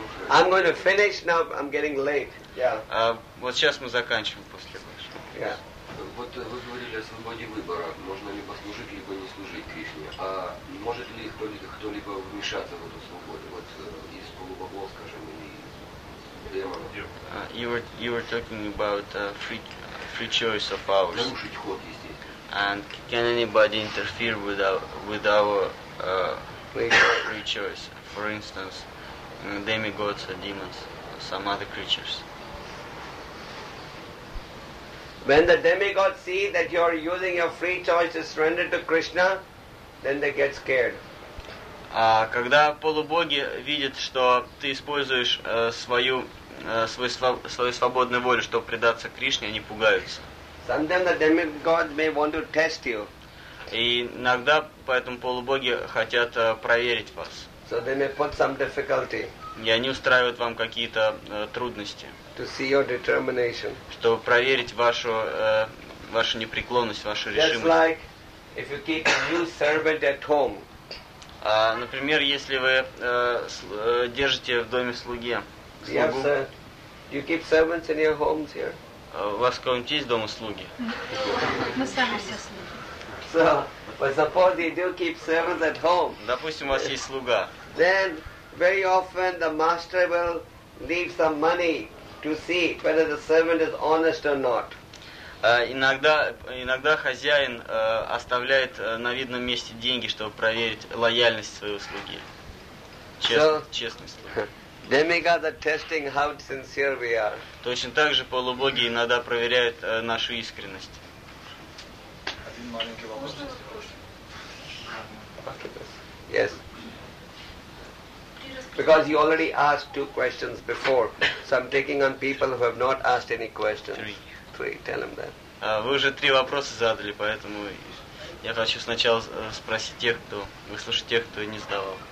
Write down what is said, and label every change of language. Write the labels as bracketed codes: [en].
[en] I'm going to finish now. I'm getting late. Yeah. [ru] Вот сейчас мы заканчиваем после вашего. [en] Yeah. [ru] Вот вы говорили о свободе выбора. Можно либо служить, либо не служить Кришне. А может ли кто-либо вмешаться в эту свободу? Вот из полубогов, скажем, или демонов. [en] You were talking about free choice of ours. [ru] Нарушить ход, естественно. [en] And can anybody interfere with our free choice? For instance. Demigods or demons, or some other creatures. When the demigods see that you are using your free choice to surrender to Krishna, then they get scared. [ru] Когда полубоги видят, что ты используешь свою своей свободной воле, чтобы предаться Кришне, они пугаются. [en] Sometimes the demigod may want to test you. [ru] И иногда поэтому полубоги хотят проверить вас. [en] So they may put some difficulty. [ru] И они устраивают вам какие-то трудности. [en] To see your determination. [ru] Чтобы проверить вашу вашу непреклонность, вашу решимость. [en] Just like if you keep a new servant at home. [ru] Например, если вы держите в доме слуги. [en] Yes, you keep servants in your homes here. [ru] У вас кого-нибудь есть дома слуги? Мы сами все слуги. [en] So, but suppose you do keep servants at home. [ru] Допустим, у вас есть слуга. [en] Then very often the master will leave some money to see whether the servant is honest or not. [ru] Иногда хозяин оставляет на видном месте деньги, чтобы проверить лояльность своего слуги. Честность слуги. [en] Demigods are testing how sincere we are. [ru] Точно так же полубоги иногда проверяют нашу искренность. Один маленький вопрос. [en] Yes. Because you already asked two questions before, so I'm taking on people who have not asked any questions. Three. Tell them that. [ru] Вы уже три вопроса задали, поэтому я хочу сначала спросить тех, кто выслушать тех, кто не задавал.